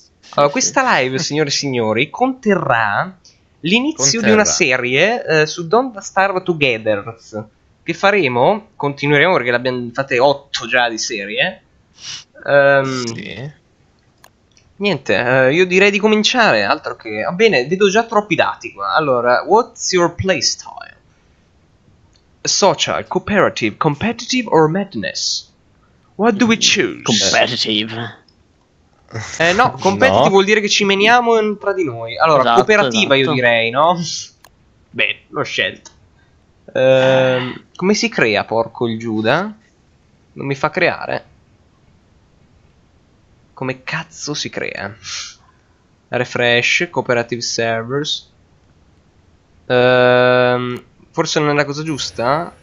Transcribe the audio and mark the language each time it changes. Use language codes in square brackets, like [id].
[it] Allora, questa live, signore e signori, conterrà l'inizio di una serie su Don't Starve Together, che faremo, continueremo perché l'abbiamo fatte 8 già di serie. Sì. Niente, io direi di cominciare, altro che... Va bene, vedo già troppi dati qua. Allora, [en] what's your playstyle? Social, cooperative, competitive or madness? What do we choose? Competitive. [it] No, competitive vuol dire che ci meniamo tra di noi. Allora, esatto, cooperativa io direi, no? Beh, l'ho scelto. Come si crea, porco il Giuda? Non mi fa creare. Come cazzo si crea? [en] Refresh, cooperative servers. [it] Forse non è la cosa giusta?